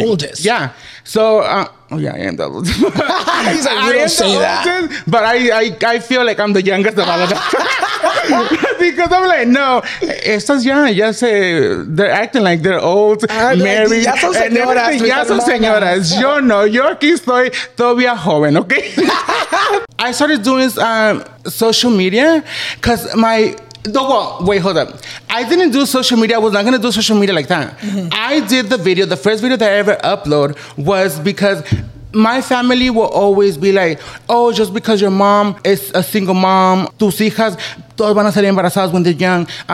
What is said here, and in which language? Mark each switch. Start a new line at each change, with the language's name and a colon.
English: You're the oldest. Yeah. So, oh yeah, I am the oldest. He's like, you don't say that. But I feel like I'm the youngest of all of them. Because I'm like, no,
Spanish: estas ya, ya se,
English: they're acting like they're old, married.
Spanish: Ya son señoras. Ya son señoras. Yo no, yo aquí estoy todavía joven, okay?
English: I started doing social media because my, I didn't do social media. I was not going to do social media like that. Mm-hmm. I did the video. The first video that I ever upload was because my family will always be like, oh, just because your mom is a single mom,
Spanish: tus hijas, todas van a ser embarazadas
English: when they're young.